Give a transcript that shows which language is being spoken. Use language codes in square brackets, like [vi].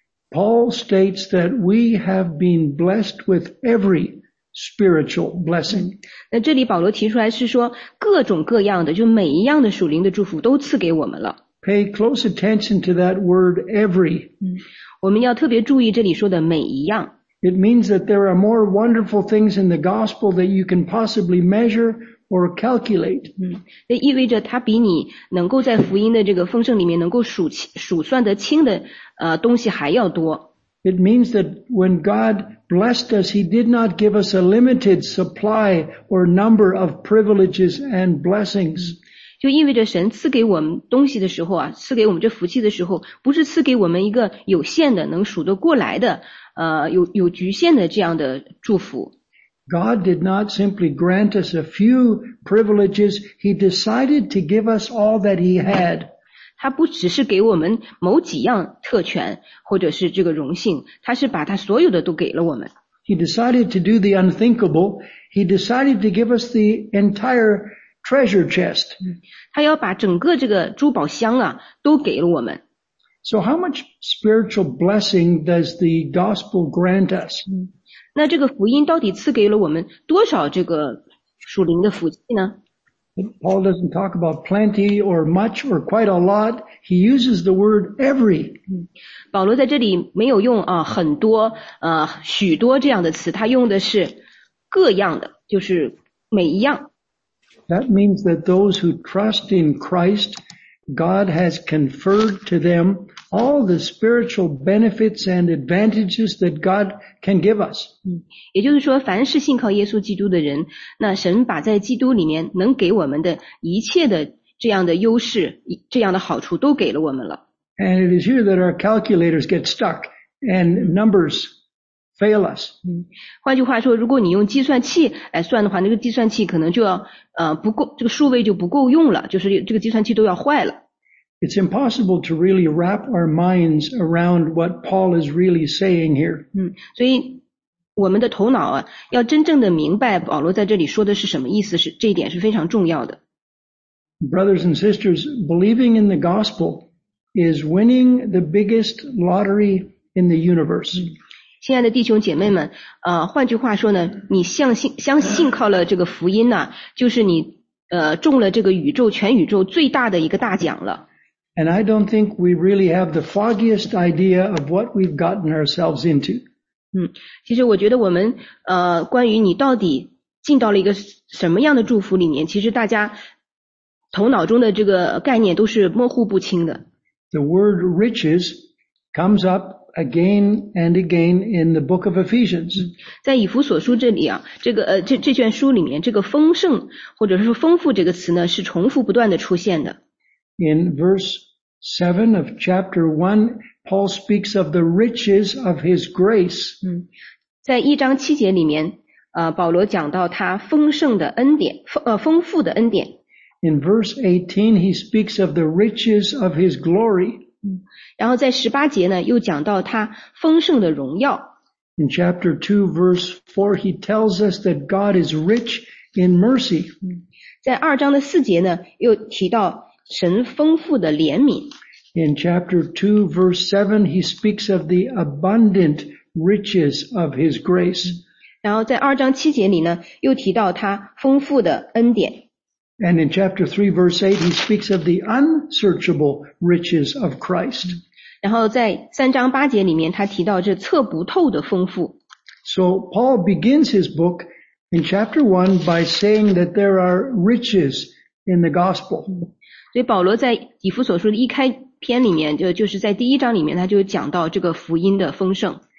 [en] Paul states that we have been blessed with every spiritual blessing. [zh] 那这里保罗提出来是说各种各样的，就每一样的属灵的祝福都赐给我们了。 [en] Pay close attention to that word every. [zh] 我们要特别注意这里说的每一样。 [en] It means that there are more wonderful things in the gospel that you can possibly measure. Or calculate. [zh] 那意味着它比你能够在福音的这个丰盛里面能够数算得清的东西还要多。 [en] It means that when God blessed us, He did not give us a limited supply or number of privileges and blessings. [zh] 就意味着神赐给我们东西的时候啊，赐给我们这福气的时候，不是赐给我们一个有限的、能数得过来的有局限的这样的祝福。 [en] God did not simply grant us a few privileges. He decided to give us all that He had. [zh] 他不只是给我们某几样特权或者是这个荣幸，他是把他所有的都给了我们。 [en] He decided to do the unthinkable. He decided to give us the entire treasure chest. [zh] 他要把整个这个珠宝箱啊都给了我们。 [en] So how much spiritual blessing does the gospel grant us? [zh] 那这个福音到底赐给了我们多少这个属灵的福气呢？ [en] Paul doesn't talk about plenty or much or quite a lot. He uses the word every. [zh] 保罗在这里没有用、啊、很多、许多这样的词，他用的是各样的，就是每一样。 [en] That means that those who trust in Christ, God has conferred to them all the spiritual benefits and advantages that God can give us. [zh] 也就是说，凡是信靠耶稣基督的人，那神把在基督里面能给我们的一切的这样的优势，这样的好处都给了我们了。 [en] And it is here that our calculators get stuck and numbers fail us. [zh] 换句话说，如果你用计算器来算的话，那个计算器可能就要不够，这个数位就不够用了，就是这个计算器都要坏了。 [en] It's impossible to really wrap our minds around what Paul is really saying here. [zh] 所以我们的头脑啊，要真正的明白保罗在这里说的是什么意思，是这一点是非常重要的。 [en] Brothers and sisters, believing in the gospel is winning the biggest lottery in the universe. [zh] 亲爱的弟兄姐妹们，换句话说呢，你相信靠了这个福音呢、啊，就是你中了这个宇宙全宇宙最大的一个大奖了。 [en] And I don't think we really have the foggiest idea of what we've gotten ourselves into. [zh] 其实我觉得我们关于你到底进到了一个什么样的祝福里面，其实大家头脑中的这个概念都是模糊不清的。 [en] The word riches comes up again and again in the book of Ephesians. [zh] 在以弗所书这里啊，这个这卷书里面，这个丰盛或者是丰富这个词呢，是重复不断的出现的。 [en] In verse 7 of chapter 1, Paul speaks of the riches of his grace. [zh] 在一章七节里面，保罗讲到他丰盛的恩典，丰富的恩典。 [en] In verse 18, he speaks of the riches of his glory. [zh] 然后在十八节呢，又讲到他丰盛的荣耀。 [en] In chapter 2, verse 4, he tells us that God is rich in mercy. [zh] 在二章的四节呢，又提到神丰富的怜悯。 [en] In chapter 2, verse 7, he speaks of the abundant riches of his grace. [zh] 然后在二章七节里呢，又提到他丰富的恩典。 [en] And in chapter 3, verse 8, he speaks of the unsearchable riches of Christ. [zh] 然后在三章八节里面，他提到这测不透的丰富。 [en] So Paul begins his book in chapter 1 by saying that there are riches in the gospel. [zh] 所以保罗在以弗所书的一开篇里面，就是在第一章里面，他就讲到这个福音的丰盛。